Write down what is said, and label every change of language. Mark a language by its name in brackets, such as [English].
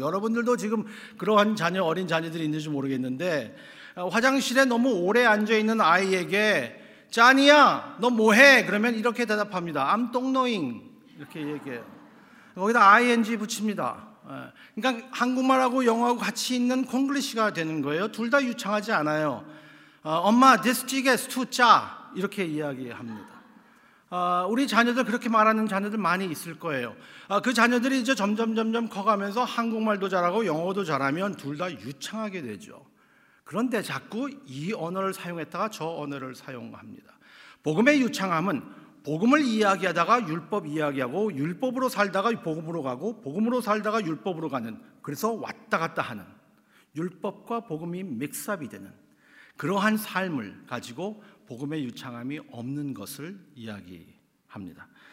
[Korean] 여러분들도 지금 그러한 자녀, 어린 자녀들이 있는지 모르겠는데 화장실에 너무 오래 앉아있는 아이에게 자니야, 너 뭐해? 그러면 이렇게 대답합니다. [English] I'm don't knowing. [Korean] 이렇게 얘기해요. 거기다 ing 붙입니다. 그러니까 한국말하고 영어하고 같이 있는 콩글리시가 되는 거예요. 둘 다 유창하지 않아요. 엄마, [English] this jig is too [Korean] 짜. 이렇게 이야기합니다. 우리 자녀들 그렇게 말하는 자녀들 많이 있을 거예요. 그 자녀들이 이제 점점 커가면서 한국말도 잘하고 영어도 잘하면 둘 다 유창하게 되죠. 그런데 자꾸 이 언어를 사용했다가 저 언어를 사용합니다. 복음의 유창함은 복음을 이야기하다가 율법 이야기하고 율법으로 살다가 복음으로 가고 복음으로 살다가 율법으로 가는, 그래서 왔다 갔다 하는 율법과 복음이 믹스업이 되는 그러한 삶을 가지고 복음의 유창함이 없는 것을 이야기합니다.